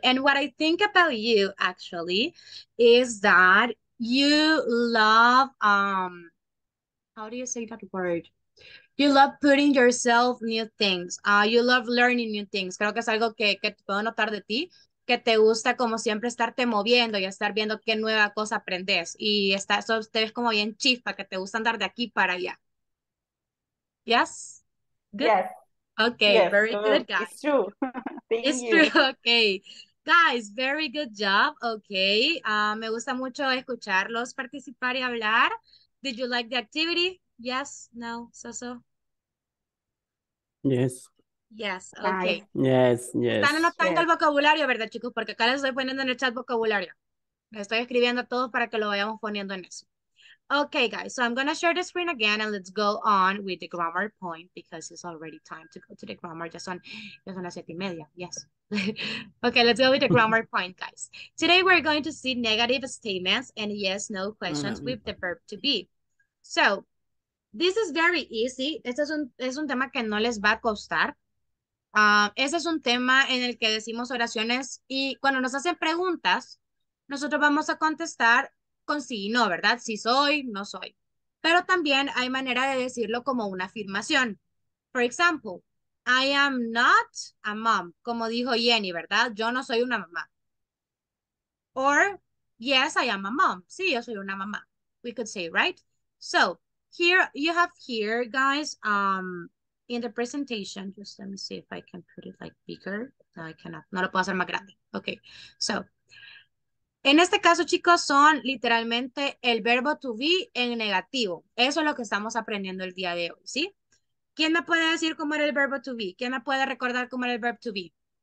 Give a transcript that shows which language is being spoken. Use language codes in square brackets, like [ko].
[en] And what I think about you actually is that you love how do you say that word? You love putting yourself new things. You love learning new things. [es] Creo que es algo que puedo notar de ti. Que te gusta como siempre estarte moviendo y estar viendo qué nueva cosa aprendes. Y está, so te ves como bien chispa, que te gusta andar de aquí para allá. [en] Yes? Good? Yes. Okay, yes. Very good, guys. It's true. Thank it's you. True, okay. Guys, very good job, okay. [es] Me gusta mucho escucharlos participar y hablar. [en] Did you like the activity? Yes, no, so. Yes. Yes, okay. Yes, yes. [es] Están anotando el vocabulario, ¿verdad, chicos? Porque acá les estoy poniendo en el chat vocabulario. Les estoy escribiendo todo para que lo vayamos poniendo en eso. [en] Okay, guys, so I'm going to share the screen again and let's go on with the grammar point because it's already time to go to the grammar. [es] Ya son las 7:30, [en] yes. Okay, let's go with the grammar point, guys. Today we're going to see negative statements and yes, no questions with the verb to be. So, this is very easy. [es] Este es un tema que no les va a costar. Ese es un tema en el que decimos oraciones y cuando nos hacen preguntas, nosotros vamos a contestar con sí y no, ¿verdad? Si soy, no soy. Pero también hay manera de decirlo como una afirmación. [en] For example, I am not a mom, [es] como dijo Jenny, ¿verdad? Yo no soy una mamá. [en] Or, yes, I am a mom. [es] Sí, yo soy una mamá. [en] We could say, right? So, here you have here, guys, in the presentation, just let me see if I can put it like bigger. No, I cannot. [es] No lo puedo hacer más grande. Okay, so, en este caso, chicos, son literalmente el verbo to be en negativo. Eso es lo que estamos aprendiendo el día de hoy, ¿sí? ¿Quién me puede decir cómo era el verbo to be? ¿Quién me puede recordar cómo era el verbo to be?